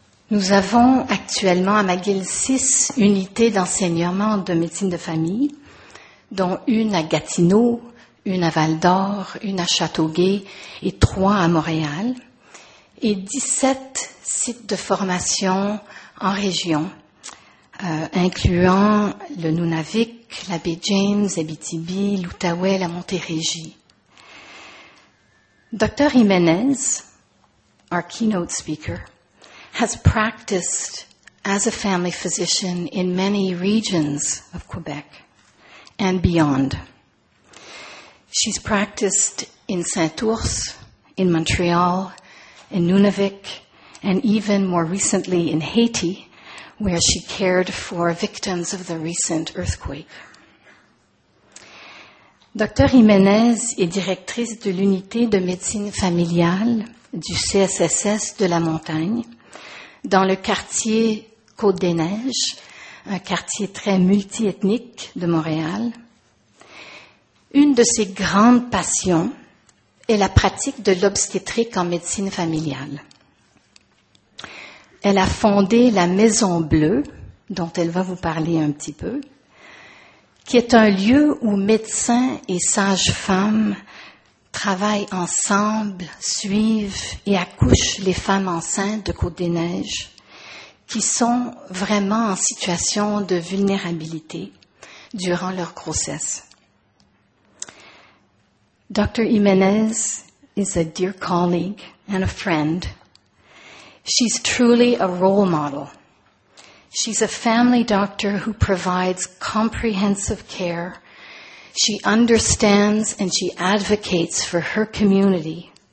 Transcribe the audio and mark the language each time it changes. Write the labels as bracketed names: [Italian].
[French] Nous avons actuellement à McGill 6 unités d'enseignement de médecine de famille, dont une à Gatineau, une à Val-d'Or, une à Châteauguay et 3 à Montréal, et 17 sites de formation en région, incluant le Nunavik, la baie James, Abitibi, l'Outaouais, la Montérégie. [English] Dr. Jimenez, our keynote speaker, has practiced as a family physician in many regions of Quebec and beyond. She's practiced in Saint-Ours, in Montreal, in Nunavik, and even more recently in Haiti, where she cared for victims of the recent earthquake. Dr. [French] Jimenez est directrice de l'unité de médecine familiale du CSSS de la Montagne, dans le quartier Côte-des-Neiges, un quartier très multiethnique de Montréal. Une de ses grandes passions est la pratique de l'obstétrique en médecine familiale. Elle a fondé la Maison Bleue, dont elle va vous parler un petit peu, qui est un lieu où médecins et sages-femmes travaillent ensemble, suivent et accouchent les femmes enceintes de Côte-des-Neiges qui sont vraiment en situation de vulnérabilité durant leur grossesse. Dr. [English] Jimenez is a dear colleague and a friend. She's truly a role model. She's a family doctor who provides comprehensive care. She understands and she advocates for her community.